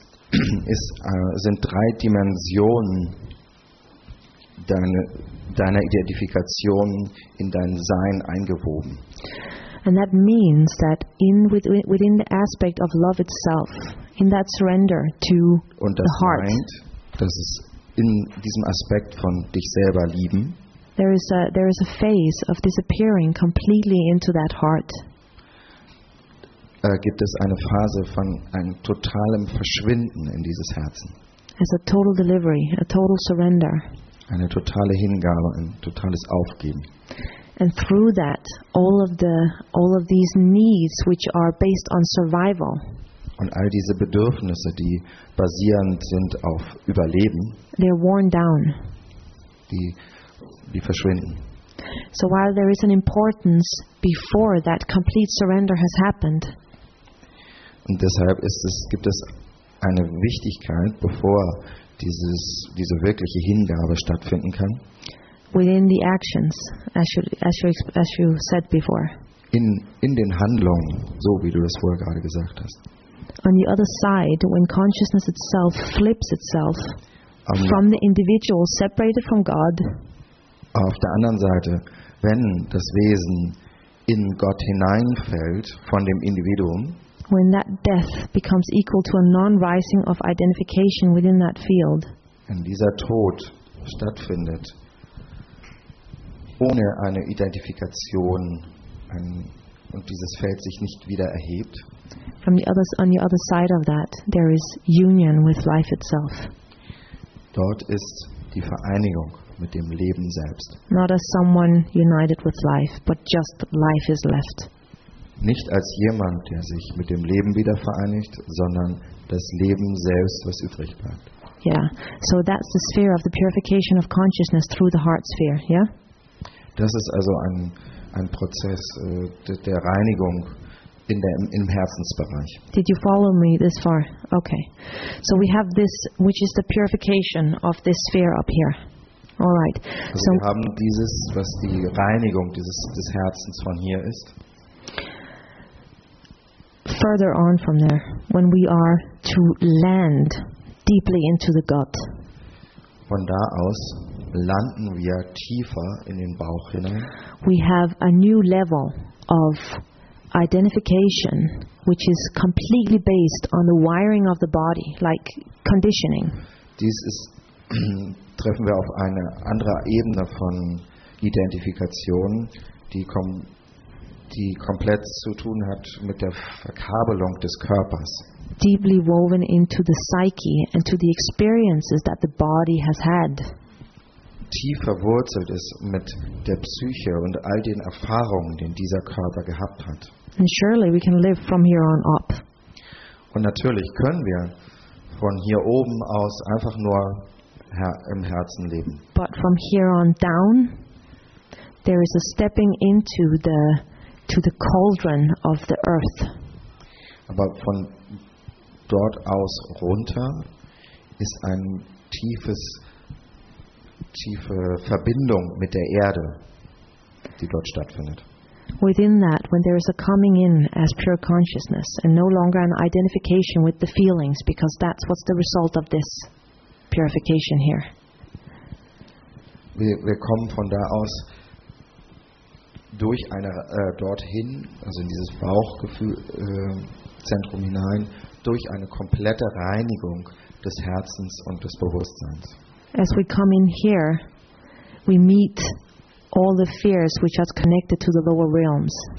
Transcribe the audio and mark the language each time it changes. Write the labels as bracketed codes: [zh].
[de] Sind drei Dimensionen deiner Identifikation in dein Sein eingewoben. [en] And that means that within the aspect of love itself, in that surrender to [de] und [en] the heart, [de] meint, dass es in diesem Aspekt von dich selber lieben, [en] there is a phase of disappearing completely into that heart. [de] Gibt es eine Phase von einem totalen Verschwinden in dieses Herzen. [en] As a total delivery, a total surrender. [de] Eine totale Hingabe, ein totales Aufgeben. [en] And through that, all of these needs which are based on survival. [de] Und all diese Bedürfnisse, die basierend sind auf Überleben. [en] They're worn down. [de] Die verschwinden. [en] So while there is an importance before that complete surrender has happened. [de] Und deshalb gibt es eine Wichtigkeit, bevor diese wirkliche Hingabe stattfinden kann. [en] Within the actions, as you said before. [de] In den Handlungen, so wie du das vorher gerade gesagt hast. [en] On the other side, when consciousness itself flips itself from the individual separated from God. [de] Auf der anderen Seite, wenn das Wesen in Gott hineinfällt von dem Individuum. [en] When that death becomes equal to a non-rising of identification within that field. [de] Wenn dieser Tod stattfindet, ohne eine Identifikation, und dieses Feld sich nicht wieder erhebt. [en] On the other side of that, there is union with life itself. [de] Dort ist die Vereinigung mit dem Leben selbst. [en] Not as someone united with life, but just life is left. [de] Nicht als jemand, der sich mit dem Leben wieder vereinigt, sondern das Leben selbst, was übrig bleibt. [en] Yeah, so that's the sphere of the purification of consciousness through the heart sphere, yeah? [de] Das ist also ein Prozess der Reinigung im Herzensbereich. [en] Did you follow me this far? Okay. So we have this, which is the purification of this sphere up here. All right. [de] Also wir haben dieses, was die Reinigung des Herzens von hier ist. [en] Further on from there, when we are to land deeply into the gut. [de] Von da aus landen wir tiefer in den Bauch hinein. [en] We have a new level of identification, which is completely based on the wiring of the body, like conditioning. [de] Dies ist treffen wir auf eine andere Ebene von Identifikation, die komplett zu tun hat mit der Verkabelung des Körpers. [en] Deeply woven into the psyche and to the experiences that the body has had. [de] Tief verwurzelt ist mit der Psyche und all den Erfahrungen, den dieser Körper gehabt hat. [en] And surely we can live from here on up. [de] Und natürlich können wir von hier oben aus einfach nur im Herzen leben. [en] But from here on down, there is a stepping into the cauldron of the earth. [de] Aber von dort aus runter ist ein tiefe Verbindung mit der Erde, die dort stattfindet. [en] Within that, when there is a coming in as pure consciousness and no longer an identification with the feelings, because that's what's the result of this purification here. [de] Wir kommen von da aus durch eine dorthin, also in dieses Bauchgefühlzentrum hinein, durch eine komplette Reinigung des Herzens und des Bewusstseins. [en] As we come in here, we meet all the fears which are connected to the lower realms.